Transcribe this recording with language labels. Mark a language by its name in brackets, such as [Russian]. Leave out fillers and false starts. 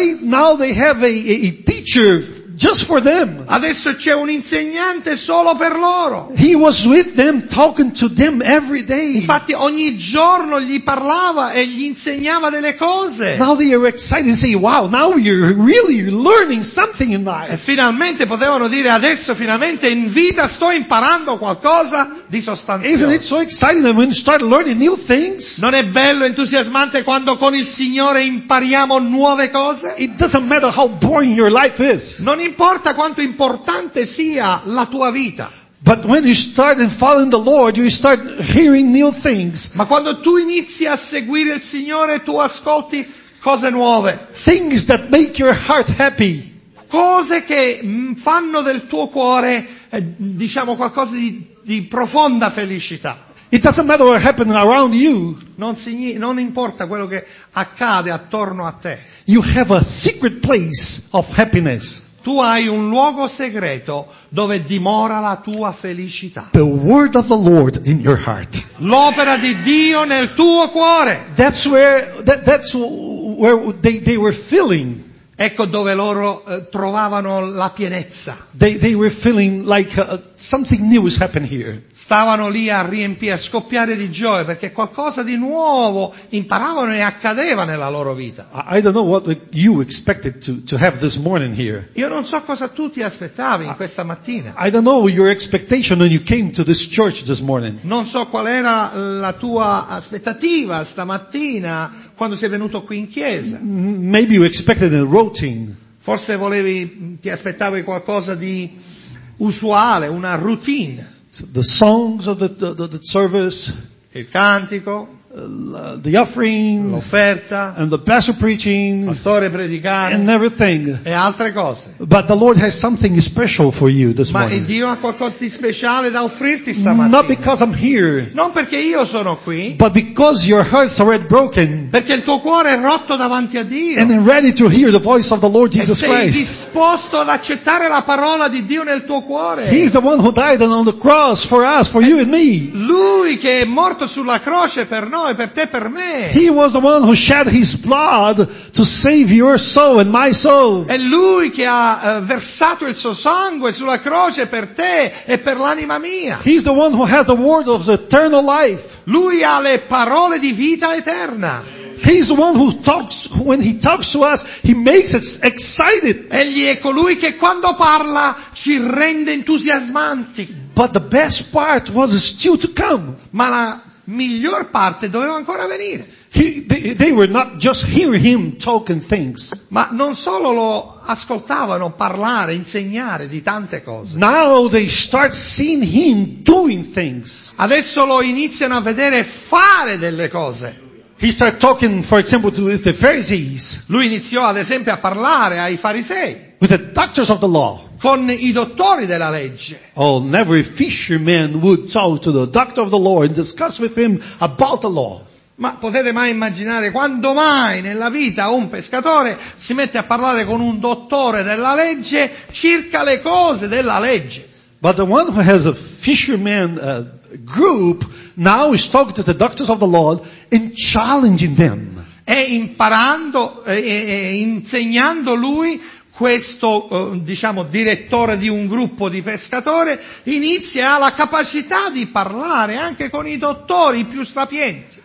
[English] Now they have a teacher just for them. [Italian] Adesso c'è un insegnante solo per loro. [English] He was with them, talking to them every day. [Italian] Infatti ogni giorno gli parlava e gli insegnava delle cose. [English] Now they are excited and say, wow, now you're really learning something in life. [Italian] E finalmente potevano dire, adesso finalmente in vita sto imparando qualcosa di sostanziale. [English] Isn't it so exciting when you start learning new things? [Italian] Non è bello, entusiasmante quando con il Signore impariamo nuove cose? [English] It doesn't matter how boring your life is. [Italian] Non importa quanto importante sia la tua vita. [English] But when you start following the Lord, you start hearing new things. [Italian] Ma quando tu inizi a seguire il Signore, tu ascolti cose nuove. [English] Things that make your heart happy. [Italian] Cose che fanno del tuo cuore, diciamo, qualcosa di profonda felicità. [English] It doesn't matter what happens around you. [Italian] Non importa quello che accade attorno a te. [English] You have a secret place of happiness. [Italian] Tu hai un luogo segreto dove dimora la tua felicità. [English] The word of the Lord in your heart. [Italian] L'opera di Dio nel tuo cuore. [English] That's where they were feeling. [Italian] Ecco dove loro trovavano la pienezza. [English] They were feeling like something new has happened here. [Italian] Stavano lì a riempire, a scoppiare di gioia, perché qualcosa di nuovo imparavano e accadeva nella loro vita. [English] I don't know what you expected to have this morning here. [Italian] Io non so cosa tu ti aspettavi in questa mattina. [English] I don't know your expectation when you came to this church this morning. [Italian] Non so qual era la tua aspettativa stamattina quando sei venuto qui in chiesa. [English] Maybe you expected a routine. [Italian] Forse ti aspettavi qualcosa di usuale, una routine. [English] The songs of the service, [Italian] il cantico, [English] the offering, [Italian] l'offerta, [English] and the pastor preaching, [Italian] pastore predicare, [English] and everything, [Italian] e altre cose. [English] But the Lord has something special for you this [Italian] Ma [English] morning. [Italian] Ma Dio ha qualcosa di speciale da offrirti stamattina. [English] Not because I'm here. [Italian] Non perché io sono qui. [English] But because your heart's already broken. [Italian] Perché il tuo cuore è rotto davanti a Dio. [English] And ready to hear the voice of the Lord Jesus Christ. [Italian] E sei disposto ad accettare la parola di Dio nel tuo cuore. [English] He's the one who died on the cross for us, for you and me. [Italian] Lui che è morto sulla croce per noi. No, per te, per me. [English] He was the one who shed his blood to save your soul and my soul. [Italian] È lui che ha versato il suo sangue sulla croce per te e per l'anima mia. [English] He's the one who has the word of eternal life. [Italian] Lui ha le parole di vita eterna. [English] He's the one who talks, when he talks to us, he makes us excited. [Italian] Egli è colui che quando parla ci rende entusiasmanti. [English] But the best part was still to come. [Italian] Ma la miglior parte doveva ancora venire. [English] They were not just hearing him talking things. [Italian] Ma non solo lo ascoltavano parlare, insegnare di tante cose. [English] Now they start seeing him doing things. [Italian] Adesso lo iniziano a vedere fare delle cose. [English] He started talking, for example, to the Pharisees. [Italian] Lui iniziò ad esempio a parlare ai farisei. [English] With the doctors of the law. [Italian] Con i dottori della legge. [English] Oh, never a fisherman would talk to the doctor of the law and discuss with him about the law. [Italian] Ma potete mai immaginare quando mai nella vita un pescatore si mette a parlare con un dottore della legge circa le cose della legge? [English] But the one who has a fisherman group now is talking to the doctors of the law and challenging them. [Italian] E imparando e insegnando lui. Questo, diciamo, direttore di un gruppo di pescatori inizia la capacità di parlare anche con i dottori più sapienti.